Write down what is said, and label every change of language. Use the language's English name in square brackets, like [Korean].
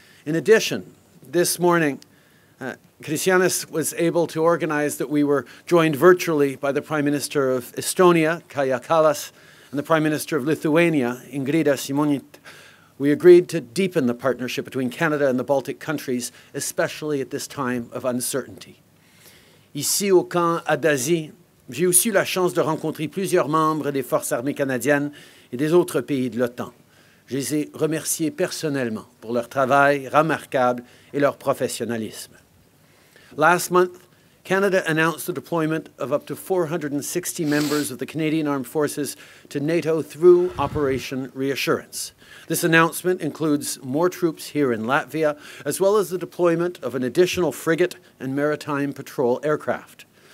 [English] In addition, this morning, Kristianis was able to organize that we were joined virtually by the Prime Minister of Estonia, Kaja Kallas, and the Prime Minister of Lithuania, Ingrida Šimonytė. We agreed to deepen the partnership between Canada and the Baltic countries, especially at this time of uncertainty. [French] Ici au camp à Dazy, j'ai aussi eu la chance de rencontrer plusieurs membres des forces armées canadiennes et des autres pays de l'OTAN. Je les ai remerciés personnellement pour leur travail remarquable et leur professionnalisme. [English] Last month, Canada announced the deployment of up to 460 members of the Canadian Armed Forces to NATO through Operation Reassurance. This announcement includes more troops here in Latvia, as well as the deployment of an additional frigate and maritime patrol aircraft.